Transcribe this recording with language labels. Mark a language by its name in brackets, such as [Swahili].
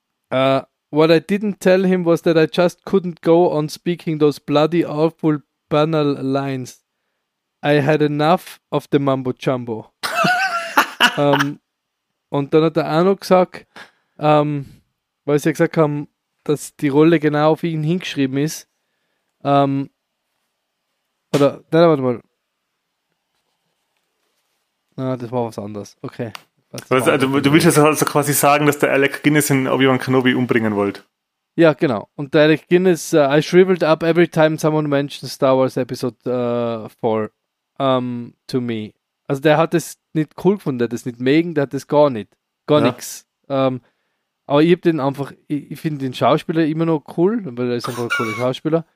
[English] What I didn't tell him was that I just couldn't go on speaking those bloody awful banal lines. I had enough of the mumbo jumbo. [German] und dann hat er auch noch gesagt, weil sie ja gesagt haben, dass die Rolle genau auf ihn hingeschrieben ist. Das war was anderes. Okay. Du willst jetzt also quasi sagen, dass der Alec Guinness in Obi-Wan Kenobi umbringen wollte. Ja, genau. Und der Alec Guinness, [English] I shriveled up every time someone mentions Star Wars Episode 4 to me. [German] Also der hat es nicht cool gefunden, der hat es nicht mögen, der hat es gar nicht. Gar nichts. Aber ich hab den einfach, ich finde den Schauspieler immer noch cool, weil er ist einfach ein cooler Schauspieler.